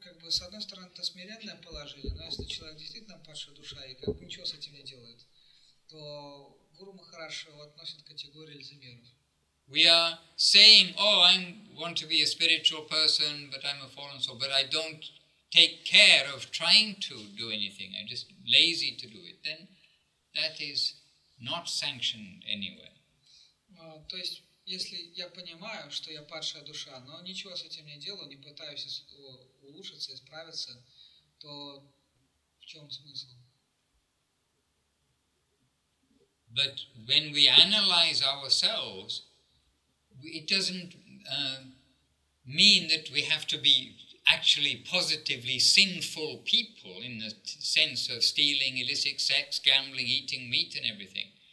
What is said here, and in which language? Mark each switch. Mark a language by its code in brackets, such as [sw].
[ru] С одной стороны, это смиренное положение, но если человек действительно падшая душа и как бы ничего с этим не делает, то Гуру Махараш его относит к категории лицемеров. [en] We are saying, oh, I want to be a spiritual person, but I'm a fallen soul, but I don't take care of trying to do anything, I'm just lazy to do it, then that is not sanctioned anywhere. [ru] То есть, если я понимаю, что я падшая душа, но ничего с этим не делаю, не пытаюсь улучшиться, исправиться, то в чем смысл? [en] But when we analyze ourselves, it doesn't mean that we have to be actually positively sinful people in the sense of stealing, illicit sex, gambling, eating meat and everything.